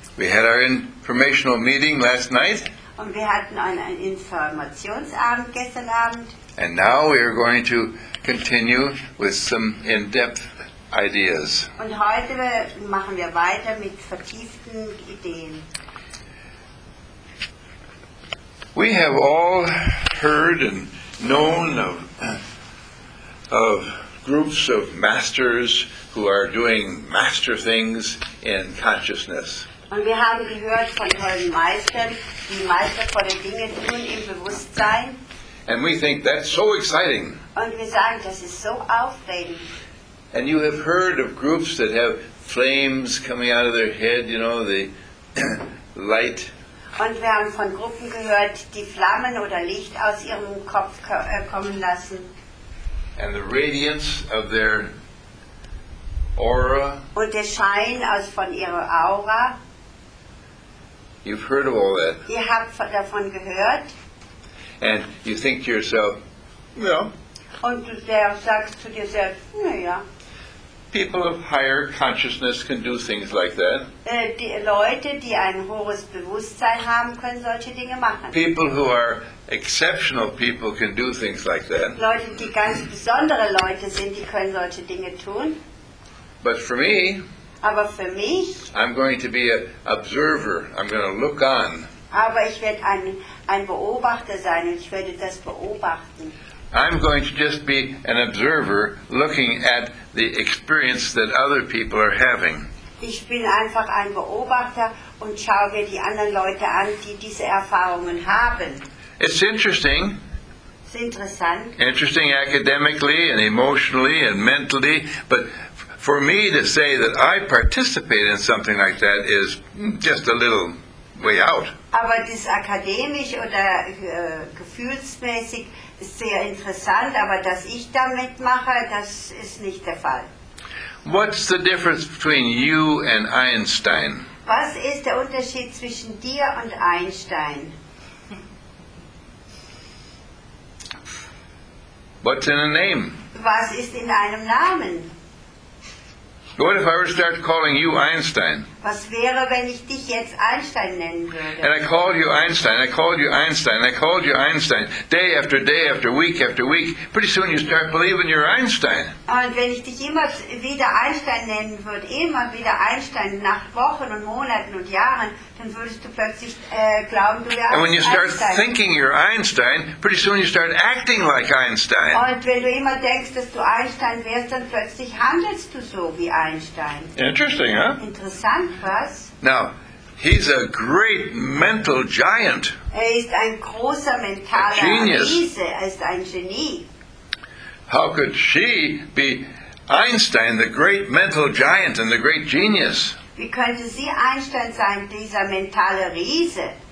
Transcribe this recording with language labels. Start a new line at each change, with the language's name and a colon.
English: We had our informational meeting last night.
German: Und wir hatten einen Informationsabend gestern Abend.
English: And now we are going to continue with some in-depth ideas.
German: Und heute machen wir weiter mit vertieften Ideen.
English: We have all heard and known of groups of masters who are doing master things in consciousness.
German: Und wir haben gehört von tollen Meistern, die meistervolle Dinge tun im Bewusstsein.
English: And we think that's so exciting.
German: Und wir sagen, das ist so aufregend.
English: And you have heard of groups that have flames coming out of their head, you know, the light.
German: Und wir haben von Gruppen gehört, die Flammen oder Licht aus ihrem Kopf kommen lassen.
English: And the radiance of their aura.
German: Und der Schein aus von ihrer Aura.
English: You've heard of all that.
German: Ihr habt davon gehört.
English: And you think to yourself, yeah.
German: Und du sagst zu dir selbst, naja.
English: People of higher consciousness can do things like that.
German: Die Leute, die ein hohes Bewusstsein haben, können solche Dinge machen.
English: People who are exceptional people can do things like that.
German: Leute, die ganz besondere Leute sind, die können solche Dinge tun.
English: But for me,
German: aber für mich,
English: I'm going to be an observer. I'm going to look on.
German: Aber ich werde ein Beobachter sein und ich werde das beobachten.
English: I'm going to just be an observer looking at the experience that other people are having.
German: Ich bin einfach ein Beobachter und schaue mir die anderen Leute an, die diese Erfahrungen haben.
English: It's interesting. It's
German: interessant.
English: Interesting academically and emotionally and mentally, but for me to say that I participate in something like that is just a little way out.
German: Aber das akademisch oder gefühlsmäßig ist sehr interessant, aber dass ich da mitmache, das ist nicht der Fall.
English: What's the difference between you and Einstein?
German: Was ist der Unterschied zwischen dir und Einstein?
English: What's in a name?
German: Was ist in einem Namen?
English: What if I were to start calling you Einstein?
German: Was wäre, wenn ich dich jetzt Einstein nennen würde?
English: And I called you Einstein, I called you Einstein, I called you Einstein, day after week, pretty soon you start believing you're Einstein.
German: Und wenn ich dich immer wieder Einstein nennen würde, immer wieder Einstein, nach Wochen und Monaten und Jahren, dann würdest du plötzlich glauben, du wärst Einstein.
English: And when you start thinking you're Einstein, pretty soon you start acting like Einstein.
German: Und wenn du immer denkst, dass du Einstein wärst, dann plötzlich handelst du so wie Einstein.
English: Interesting, huh?
German: Interessant.
English: Now, he's a great mental giant.
German: Er ist ein großer mentaler
English: genius.
German: Riese. Er ist ein Genie.
English: How could she be Einstein, the great mental giant and the great genius?
German: Wie könnte sie Einstein sein, dieser mentale Riese?